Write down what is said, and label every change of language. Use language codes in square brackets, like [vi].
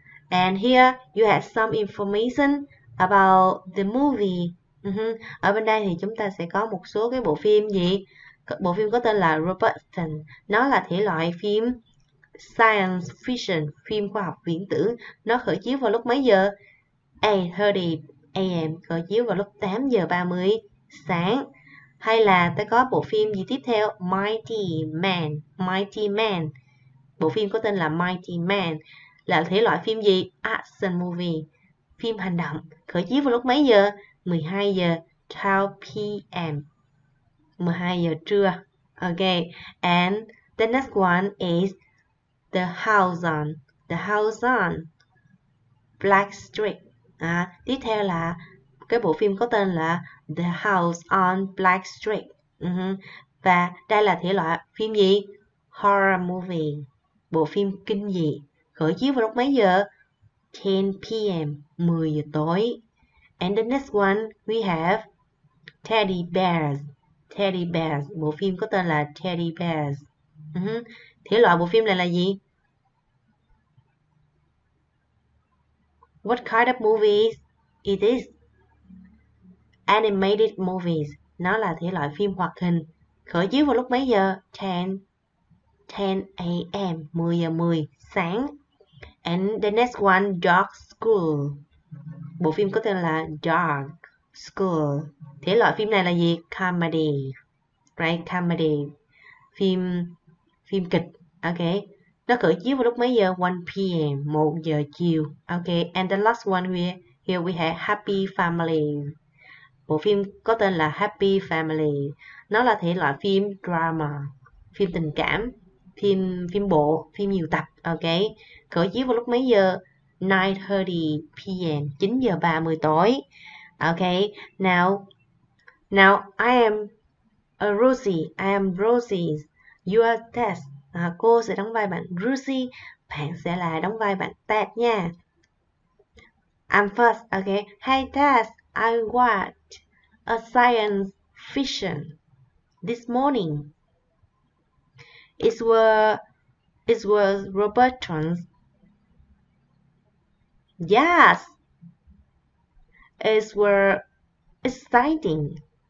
[en] And here you had some information about the movie. [vi] Ở bên đây thì chúng ta sẽ có một số cái bộ phim gì? Bộ phim có tên là Robertson. Nó là thể loại phim science fiction, phim khoa học viễn tử. Nó khởi chiếu vào lúc mấy giờ? 8:30 a.m. Khởi chiếu vào lúc 8:30 sáng. Hay là ta có bộ phim gì tiếp theo? Mighty Man. Mighty Man. Bộ phim có tên là Mighty Man. Là thể loại phim gì? [en] Action movie. [vi] Phim hành động. Khởi chiếu vào lúc mấy giờ? 12:12 p.m. 12 giờ trưa. Ok. [en] And the next one is The House on. The House on Black Street. [vi] À, tiếp theo là cái bộ phim có tên là The House on Black Street. Và đây là thể loại phim gì? [en] Horror movie. [vi] Bộ phim kinh dị. Khởi chiếu vào lúc mấy giờ? 10 p.m. 10 giờ tối. [en] And the next one we have Teddy Bears. [vi] Teddy Bears, bộ phim có tên là Teddy Bears. Thể loại bộ phim này là gì? [en] What kind of movies is this? Animated movies. [vi] Nó là thể loại phim hoạt hình. Khởi chiếu vào lúc mấy giờ? 10 a.m. 10 giờ 10 sáng. [en] And the next one, [vi] Dark School. Bộ phim có tên là Dark School. Thể loại phim này là gì? [en] Comedy. Right, comedy. [vi] Phim kịch. Ok. Nó khởi chiếu vào lúc mấy giờ? 1 p.m. 1 giờ chiều. Ok. And the last one, here we have Happy Family. Bộ phim có tên là Happy Family. Nó là thể loại phim drama. Phim tình cảm. Phim bộ. Phim nhiều tập. Ok. Khởi chiếu vào lúc mấy giờ? 9:30 p.m. 9 giờ 30 tối. Ok. [en] Now, I am a Rosie. I am Rosie. You are Ted. [vi] Cô sẽ đóng vai bạn Rosie. Bạn sẽ là đóng vai bạn Ted nha. [en] I'm first. Ok. Hey Ted, I watched a science fiction this morning. It was Robotron's. Yes, it was exciting.